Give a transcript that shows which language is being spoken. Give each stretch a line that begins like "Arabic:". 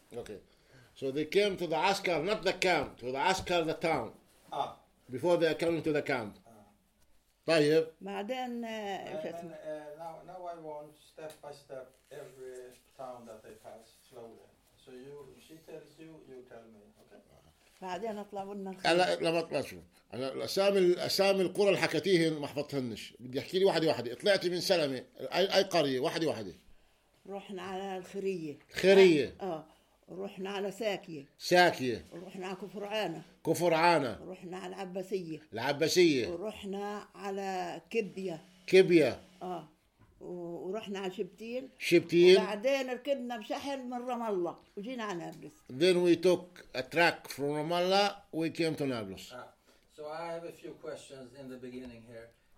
English: Okay, so they came to the Askar, not the camp, to the Askar, the town. Before they are coming to the camp.
Arabic: طيب بعدين ايش اسمه.
English: Now I want step by step every town that they pass slowly. So you, she tells you, you tell me, okay.
Arabic: بعدين اطلعوا لنا الخيمة. لا ما اطلعوا. انا الاسامي القرى اللي حكيتيهن ما حفظتهنش، بدي احكي لي واحد واحد. طلعتي من سلمة اي قرية؟ واحد واحد. رحنا على الخيرية. خيرية. رحنا على ساكية. ساكية. رحنا على كفرعانة. كفرعانة. رحنا على العباسية. العباسية. ورحنا على كبية. كبية. ورحنا على شبتين. شبتين. وبعدين ركبنا بشحن من رام الله وجينا على نابلس.
English: Then we took a track from Ramallah, we came to Nablus. So I have a few questions in the beginning here.